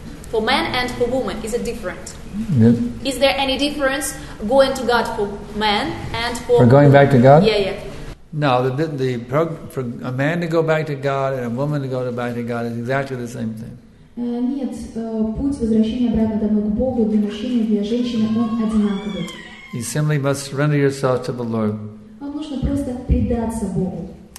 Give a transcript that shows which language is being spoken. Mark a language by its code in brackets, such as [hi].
[en] For man and for woman, is it different? Yeah. Is there any difference going to God for man and for... For going back to God? Yeah, yeah. No, the for a man to go back to God and a woman to go back to God is exactly the same thing. [ru] Нет, путь возвращения обратно домой к Богу для мужчины и для женщины он одинаковый. [en] You simply must surrender yourself to the Lord. [ru] Вам нужно просто предаться Богу.